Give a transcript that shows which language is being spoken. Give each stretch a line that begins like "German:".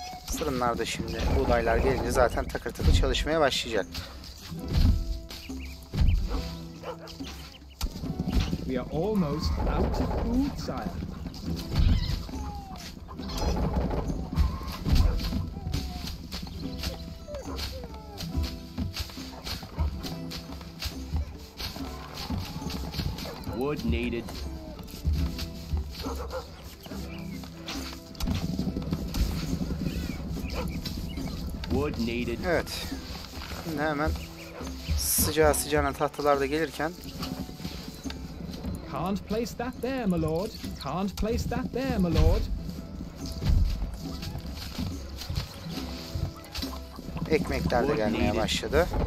Turkish: Sırınlar da şimdi buğdaylar gelince zaten takır takır çalışmaya başlayacak.
English: We are almost out of food, sire. Wood needed. Wood needed.
Turkish: Evet. Şimdi hemen sıcağı sıcağına tahtalarda gelirken.
English: Can't place that there, my lord. Can't place that there, my lord.
Turkish: Ekmekler de gelmeye başladı.